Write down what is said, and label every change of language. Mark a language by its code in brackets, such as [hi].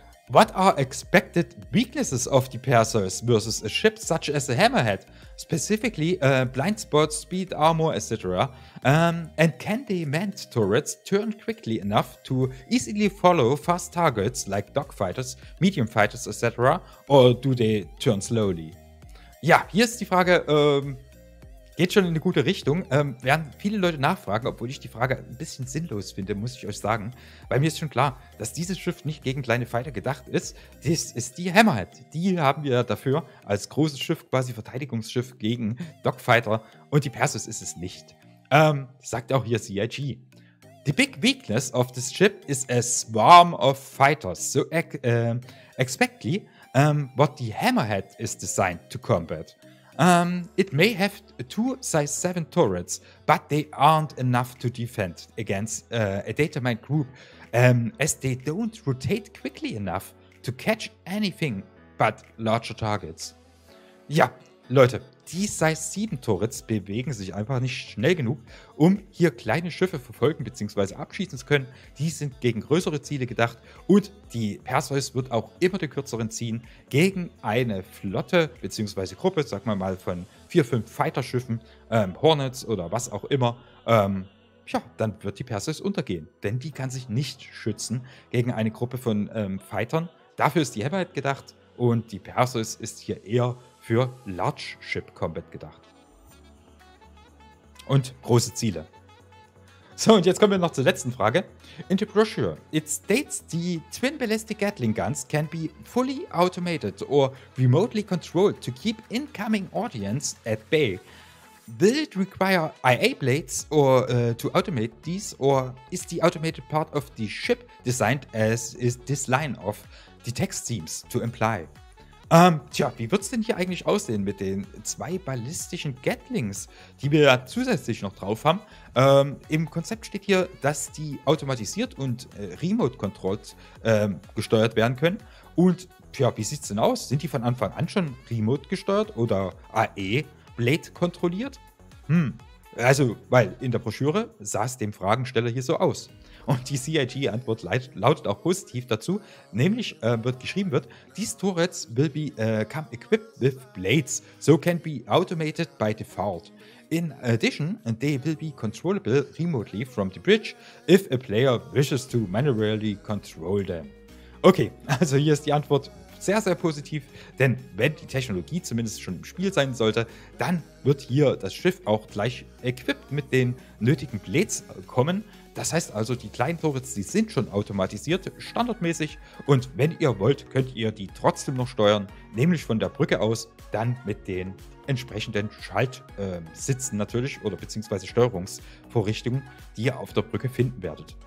[en] What are expected weaknesses of the Perseus versus a ship such as a Hammerhead? Specifically, blind spots, speed, armor, etc. And can the manned turrets turn quickly enough to easily follow fast targets like dogfighters, medium fighters, etc. Or do they turn slowly? [de] Ja, hier ist die Frage, geht schon in eine gute Richtung. Werden viele Leute nachfragen, obwohl ich die Frage ein bisschen sinnlos finde, muss ich euch sagen. Weil mir ist schon klar, dass dieses Schiff nicht gegen kleine Fighter gedacht ist. Das ist die Hammerhead. Die haben wir dafür als großes Schiff, quasi Verteidigungsschiff gegen Dogfighter. Und die Perseus ist es nicht. Sagt auch hier CIG. [en] The big weakness of this ship is a swarm of fighters. So exactly what the Hammerhead is designed to combat. It may have two size 7 turrets, but they aren't enough to defend against a datamined group, as they don't rotate quickly enough to catch anything but larger targets. [de] Ja, Leute, die size 7 turrets bewegen sich einfach nicht schnell genug, um hier kleine Schiffe verfolgen bzw. abschießen zu können. Die sind gegen größere Ziele gedacht und die Perseus wird auch immer den kürzeren ziehen gegen eine Flotte bzw. Gruppe, sagen wir mal von 4-5 Fighterschiffen, Hornets oder was auch immer. Dann wird die Perseus untergehen, denn die kann sich nicht schützen gegen eine Gruppe von Fightern. Dafür ist die Hammerhead gedacht und die Perseus ist hier eher für Large Ship Combat gedacht. Und große Ziele. So, und jetzt kommen wir noch zur letzten Frage. [en] In the brochure, it states the Twin Ballistic Gatling Guns can be fully automated or remotely controlled to keep incoming audience at bay. Will it require IA blades or to automate these, or is the automated part of the ship designed as is this line of the text seems to imply? [de] Wie wird es denn hier eigentlich aussehen mit den zwei ballistischen Gatlings, die wir ja zusätzlich noch drauf haben? Im Konzept steht hier, dass die automatisiert und remote-controlled gesteuert werden können. Und wie sieht es denn aus? Sind die von Anfang an schon remote-gesteuert oder AE-Blade-kontrolliert? Weil in der Broschüre sah es dem Fragensteller hier so aus. Und die CIG-Antwort lautet auch positiv dazu. Nämlich wird geschrieben, [en] these turrets will be come equipped with blades, so can be automated by default. In addition, they will be controllable remotely from the bridge, if a player wishes to manually control them. [de] Okay, also hier ist die Antwort sehr, sehr positiv, denn wenn die Technologie zumindest schon im Spiel sein sollte, dann wird hier das Schiff auch gleich equipped mit den nötigen Blades kommen. Das heißt also, die kleinen Turrets, die sind schon automatisiert, standardmäßig, und wenn ihr wollt, könnt ihr die trotzdem noch steuern, nämlich von der Brücke aus, dann mit den entsprechenden Schaltsitzen natürlich, oder beziehungsweise Steuerungsvorrichtungen, die ihr auf der Brücke finden werdet.